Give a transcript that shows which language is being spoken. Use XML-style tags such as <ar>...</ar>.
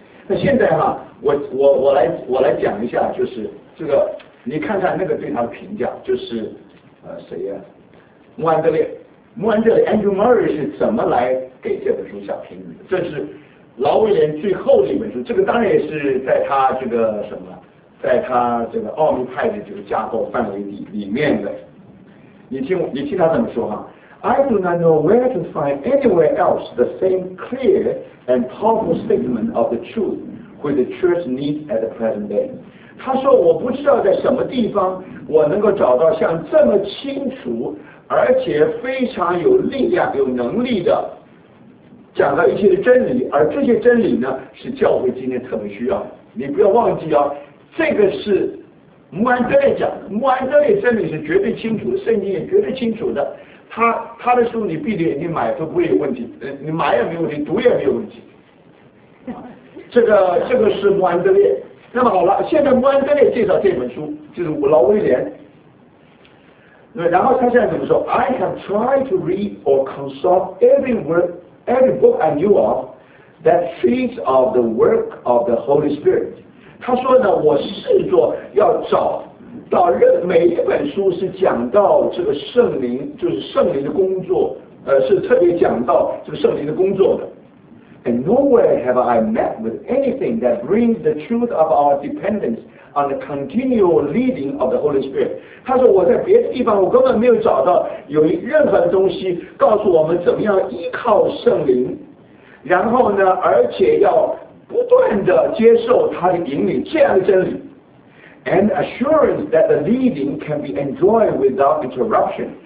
<zh>那现在哈，我来讲一下，就是这个，你看看那个对他的评价，就是谁呀、穆安德烈 Andrew Murray 是怎么来给这本书下评语的？这是劳威廉最后的一本书，这个当然也是在他这个什么，在他这个奥秘派的这个架构范围里面的。你听他怎么说哈。</zh> <en>I do not know where to find anywhere else the same clear and powerful statement of the truth which the church needs at the present day.</en> <zh>他说我不知道在什么地方我能够找到像这么清楚而且非常有力量有能力的讲到一些的真理，而这些真理呢是教会今天特别需要的。你不要忘记啊，这个是穆安德烈讲的，穆安德烈真理是绝对清楚的，圣经也绝对清楚的，他的书你闭着眼睛买都不会有问题，你买也没有问题，读也没有问题。这个是穆安德烈。那么好了，现在穆安德烈介绍这本书，就是劳威廉。对，然后他现在怎么说</zh> <en>？I have tried to read or consult every book I knew of that speaks of the work of the Holy Spirit。</en> <zh>他说呢，我试着要找。到每一本书是讲到这个圣灵，就是圣灵的工作，是特别讲到这个圣灵的工作的。</zh> <en>And nowhere have I met with anything that brings the truth of our dependence on the continual leading of the Holy Spirit.</en> <zh>他说我在别的地方我根本没有找到有任何的东西告诉我们怎么样依靠圣灵，然后呢，而且要不断的接受他的引领这样的真理。</zh> <en>And assurance that the leading can be enjoyed without interruption.</en>